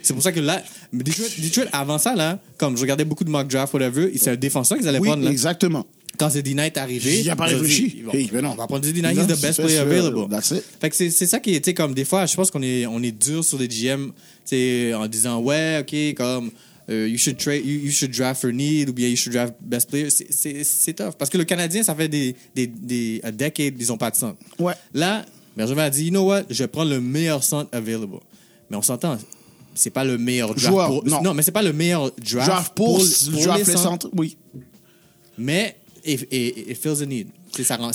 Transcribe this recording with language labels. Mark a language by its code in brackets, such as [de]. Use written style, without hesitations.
[fr] C'est pour ça que là, Detroit, avant ça, là, comme je regardais beaucoup de mock draft, whatever, c'est un défenseur qu'ils allaient, oui, prendre. Là. Exactement. Quand Zadina est arrivé, il n'y a pas réfléchi. [en] Bon, on va prendre Zadina, he's the best player available. That's it. [fr] Fait que c'est ça qui était comme des fois, je pense qu'on est dur sur les GM, t'sais, en disant, ouais, ok, comme. [en] You should draft for need ou bien you should draft best player. [fr] C'est tough. Parce que le Canadien, ça fait a decade, ils n'ont pas de centre. Ouais. Là, Bergevin a dit, you know what, je vais prendre le meilleur centre available. Mais on s'entend, c'est pas le meilleur draft. Joueur, pour, non, mais c'est pas le meilleur draft. Draft pour draft les centres, oui. [en] Mais it fills a need. Ça remplit.